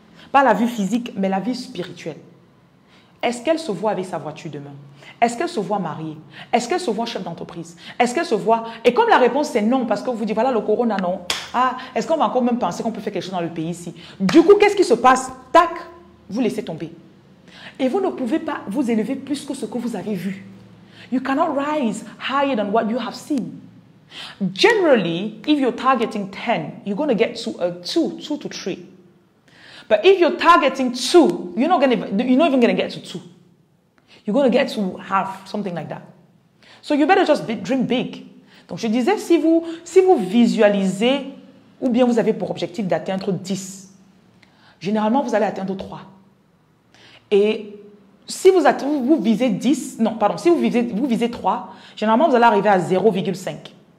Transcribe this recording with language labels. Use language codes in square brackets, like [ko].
[fr] Pas la vue physique, mais la vue spirituelle. Est-ce qu'elle se voit avec sa voiture demain? Est-ce qu'elle se voit mariée? Est-ce qu'elle se voit chef d'entreprise? Est-ce qu'elle se voit... Et comme la réponse, c'est non, parce que vous dites, voilà, le corona, non. Ah, est-ce qu'on va encore même penser qu'on peut faire quelque chose dans le pays ici? Du coup, qu'est-ce qui se passe? Tac, vous laissez tomber. Et vous ne pouvez pas vous élever plus que ce que vous avez vu. [en] You cannot rise higher than what you have seen. Generally, if you're targeting 10, you're going to get to a 2 to 3. But if you're targeting 2, you're not even going to get to 2. You're going to get to half, something like that. So you better just dream big. [fr] Donc je disais, si vous visualisez ou bien vous avez pour objectif d'atteindre 10, généralement vous allez atteindre 3. Et si vous visez 3, généralement vous allez arriver à 0,5.